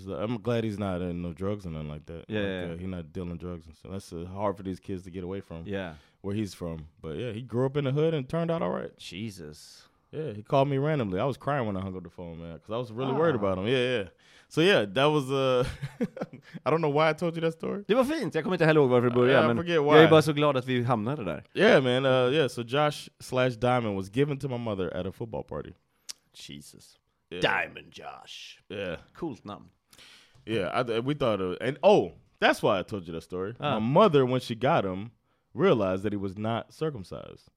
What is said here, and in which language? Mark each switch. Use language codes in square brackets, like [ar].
[en] I'm glad he's not in no drugs or nothing like that. He's not dealing drugs. And so that's hard for these kids to get away from. Yeah. Where he's from. But yeah, he grew up in the hood and turned out all right. Jesus. Yeah, he called me randomly. I was crying when I hung up the phone, man, because I was really worried about him. Yeah. So yeah, that was I don't know why I told you that story. [sv] Det var fint. Jag kommer inte heller ihåg varför det började. [en] Yeah, [sv] men [en] I forget why. [sv] Jag är bara så glad att vi hamnade där. [en] Yeah, man. So Josh/Diamond was given to my mother at a football party. Jesus. Yeah. Diamond Josh. Yeah. [sv] Coolt namn. [en] Yeah, we thought of it. And oh, that's why I told you that story. My mother, when she got him, realized that he was not circumcised.